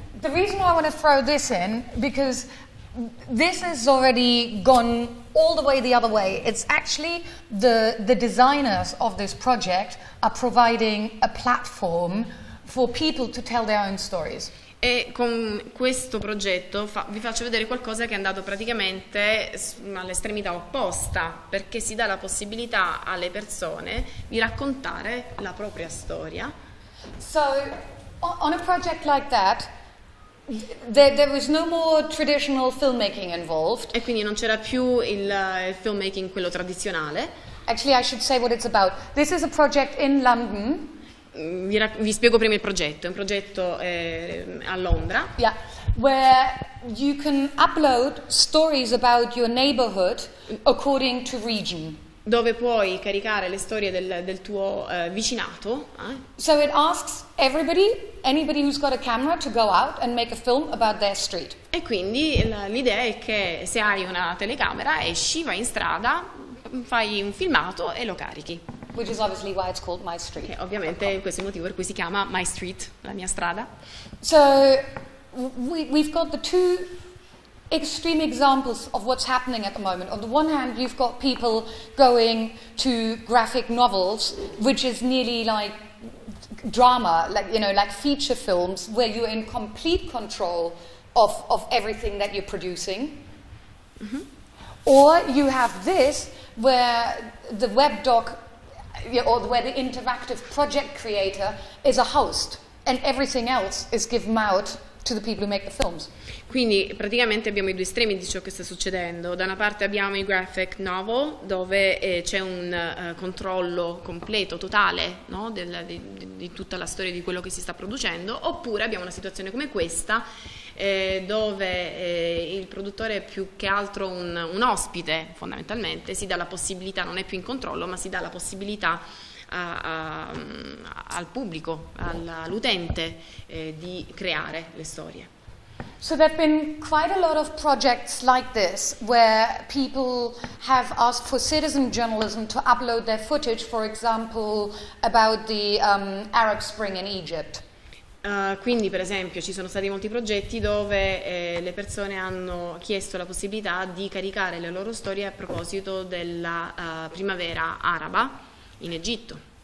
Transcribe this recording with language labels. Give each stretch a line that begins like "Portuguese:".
English: The reason why I want to throw this in, because this has already gone all the way the other way. It's actually the designers of this project are providing a platform for people to tell their own stories.
Italian: E con questo progetto vi faccio vedere qualcosa che è andato praticamente all'estremità opposta, perché si dà la possibilità alle persone di raccontare la propria storia.
English: So, on a project like that, there was no more traditional filmmaking involved.
Italian: E quindi non c'era più il filmmaking quello tradizionale.
English: Actually, I should say what it's about. This is a project in London.
Italian: Vi spiego prima il progetto, è un progetto a Londra. Yeah.
English: Where you can upload stories about your neighborhood according to region.
Italian: Dove puoi caricare le storie del tuo vicinato.
English: So it asks everybody, anybody who's got a camera, to go out and make a film about their street.
Italian: E quindi l'idea è che se hai una telecamera, esci, vai in strada, fai un filmato e lo carichi.
English: Which is obviously why it's called My Street.
Italian: Okay, ovviamente questo è il motivo per cui si chiama My Street, la mia strada.
English: So we've got the two extreme examples of what's happening at the moment. On the one hand, you've got people going to graphic novels, which is nearly like drama, like, you know, like feature films, where you're in complete control of everything that you're producing. Mm-hmm. Or you have this, where the webdoc, or where the interactive project creator is a host and everything else is given out to the people who make the films.
Italian: Quindi praticamente abbiamo i due estremi di ciò che sta succedendo. Da una parte abbiamo i graphic novel, dove c'è un controllo completo, totale, no? di tutta la storia di quello che si sta producendo, oppure abbiamo una situazione come questa, dove il produttore è più che altro un ospite, fondamentalmente, si dà la possibilità, non è più in controllo, ma si dà la possibilità al pubblico, all'utente, di creare le storie.
English: So there have been quite a lot of projects like this where people have asked for citizen journalism to upload their footage, for example, about the Arab Spring in Egypt.
Italian: Quindi, per esempio, ci sono stati molti progetti dove le persone hanno chiesto la possibilità di caricare le loro storie a proposito della primavera araba in Egitto.